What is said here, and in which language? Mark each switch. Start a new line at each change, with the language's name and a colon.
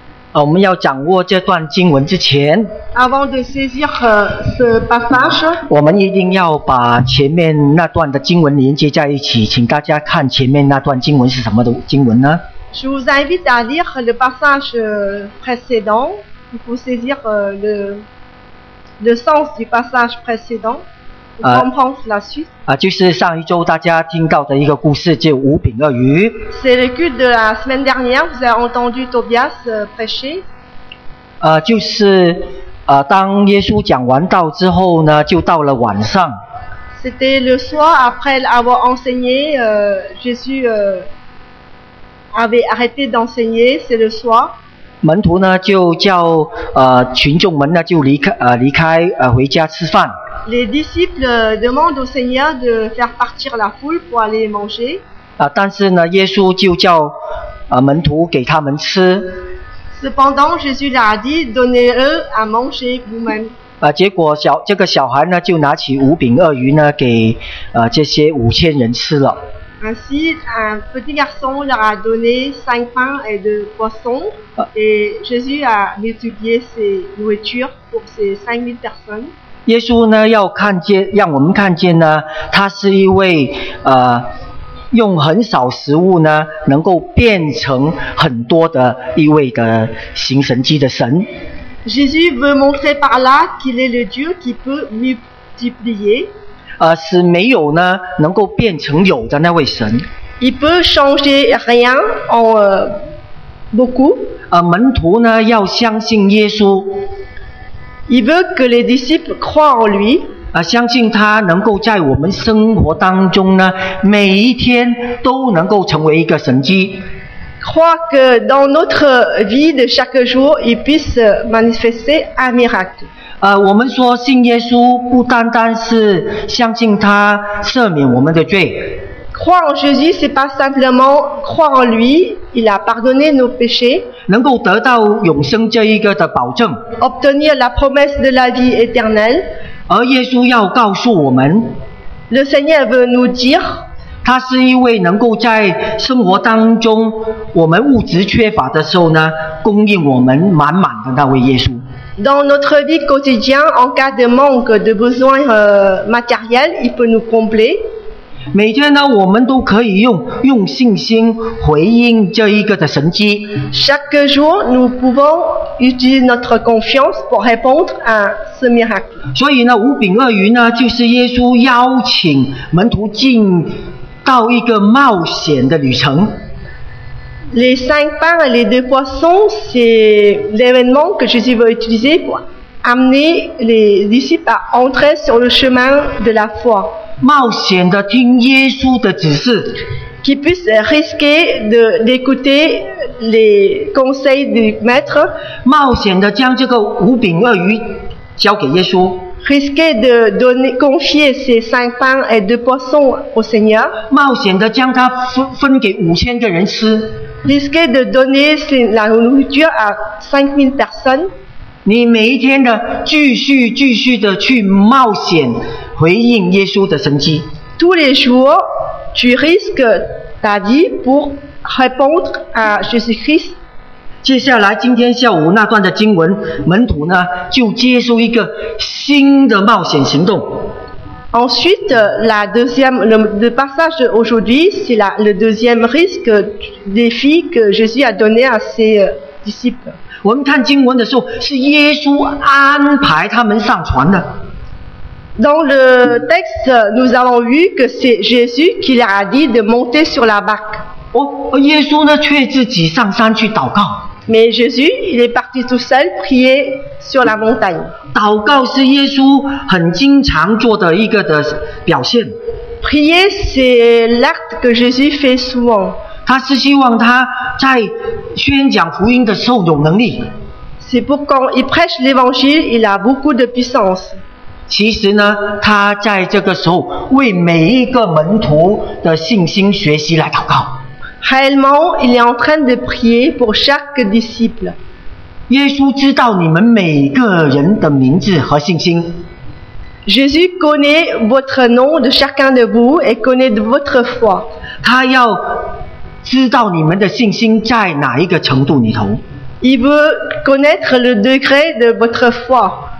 Chinese: 啊，我们要掌握这段经文之前
French: ，Avant de saisir ce passage，
Chinese: 我们一定要把前面那段的经文连接在一起。请大家看前面那段经文是什么的经文呢
French: ？Je vous invite à lire le passage précédent pour saisir le sens du passage précédent pour comprendre la suite。
Chinese: 啊，就是上一周大家听到的一个故事，就五饼二鱼。
French: C'est le culte de la semaine dernière. Vous avez entendu Tobias prêcher.
Chinese: 就是当耶稣讲完道之后呢，就到了晚上。
French: C'était le soir après avoir enseigné. Jésus avait arrêté d'enseigner. C'est le soir.
Chinese: 门徒呢就叫群众们呢就离开回家吃饭。
French: Les disciples demandent au Seigneur de faire partir la foule pour aller manger.
Chinese: 但是呢，耶稣就叫门徒给他们吃。
French: Cependant, Jésus leur a dit, donnez-eux à manger vous-même.
Chinese: 结果这个小孩呢，就拿起五饼二鱼呢，给这些五千人吃了。
French: Ainsi, un petit garçon leur a donné cinq pains et deux poissons, et Jésus a multiplié ses nourritures pour ces 5000 personnes.
Chinese: 耶稣呢要看见，让我们看见呢，他是一位用很少食物呢能够变成很多的一位的行神迹的神。
French: Jésus veut montrer par là qu'il est le Dieu qui peut multiplier.
Chinese: 是没有呢能够变成有的那位神。
French: Il peut changer rien en beaucoup.
Chinese: 门徒呢要相信耶稣。
French: Il veut que les disciples croient en lui.
Chinese: 相信他能够在我们生活当中呢，每一天都能够成为一个神迹。
French: Croit que dans notre vie de chaque jour, il puisse manifester un miracle.
Chinese: 我们说信耶稣不单单是相信他赦免我们的罪。
French: Croire en Jésus, c'est pas simplement croire en lui. Il a pardonné nos péchés.
Chinese: 能够得到永生这一个的保证。
French: Obtenir la promesse de la vie éternelle.
Chinese: 而耶稣要告诉我们。
French: Le Seigneur veut nous dire.
Chinese: 他是一位能够在生活当中我们物质缺乏的时候呢，供应我们满满的那位耶稣。
French: Dans notre vie quotidienne, en cas de manque de besoins matériels, il peut nous combler.
Chinese: 每天呢，我们都可以用信心回应这一个的神迹。
French: Chaque jour, nous pouvons utiliser notre confiance pour répondre à ce miracle.
Chinese: 所以呢，五饼二鱼呢，就是耶稣邀请门徒进到一个冒险的旅程。
French: Les cinq pains et les deux poissons, c'est l'événement que Jésus veut utiliser pour amener les disciples à entrer sur le chemin de la foi.
Chinese: 冒险的听耶稣的指示
French: qui puisse risquer d'écouter les conseils du maître
Chinese: 冒险的将这个五饼二鱼交给耶稣
French: risquer de confier ces cinq pains et deux poissons au Seigneur
Chinese: 冒险的将它分给五千个人吃
French: risquer de donner la nourriture à 5000 personnes
Chinese: 你每一天的继续的去冒险回应耶稣的神迹。
French: Tous les jours, tu risques ta vie pour répondre à Jésus-Christ.
Chinese: 接下来今天下午那段的经文，门徒呢就接受一个新的冒险行动。
French: Ensuite, la deuxième le passage aujourd'hui, c'est le deuxième risque défi que Jésus a donné à ses disciples.
Chinese: 我们看经文的时候，是耶稣安排他们上船的。
French: Dans le texte, nous avons vu que c'est Jésus qui leur a dit de monter sur la barque.
Chinese: Oh, 耶稣呢却自己上山去祷告。
French: Mais Jésus, il est parti tout seul prier sur la montagne.
Chinese: 祷告是耶稣很经常做的一个的表现。
French: Prier, c'est l'acte que Jésus fait souvent.
Chinese: 他是希望他在宣讲福音的时候有能力。
French: C'est pour quand il prêche l'évangile, il a beaucoup de puissance.
Chinese: 其实呢, 他在这个时候为每一个门徒的信心学习来祷告。
French: Réellement, il est en train de prier pour chaque disciple.
Chinese: 耶稣知道你们每个人的名字和信心。
French: Jésus connaît votre nom de chacun de vous et connaît de votre foi.
Chinese: 他要知道你们的信心在哪一个程度里头。
French: Il veut connaître le degré de votre foi.